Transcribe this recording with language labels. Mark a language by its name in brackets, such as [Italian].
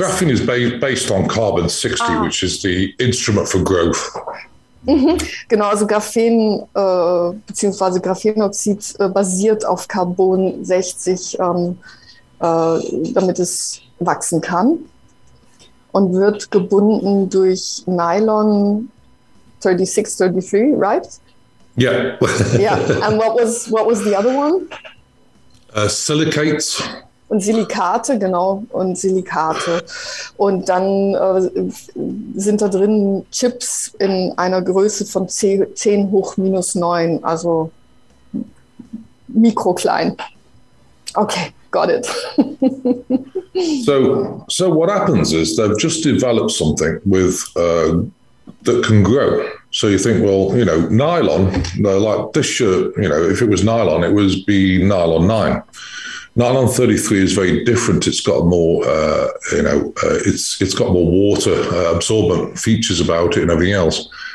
[English] Graphene is based on carbon 60, which is the instrument for growth. [German] Genau, also Graphen bzw. Graphenoxid basiert auf Carbon 60, damit es wachsen kann und wird gebunden durch Nylon 3633, right? [English] Yeah. Yeah. And what was the other one? Silicates. [German] Und Silikate, genau, und Silikate. Und dann sind da drin Chips in einer Größe von 10 hoch minus 9, also mikroklein. [English] Okay, got it. So what happens is they've just developed something with that can grow. So you think, well, you know, nylon, like this shirt, you know, if it was nylon, it would be nylon 9. Nylon 33 is very different. It's got more, it's got more water absorbent features about it and everything else.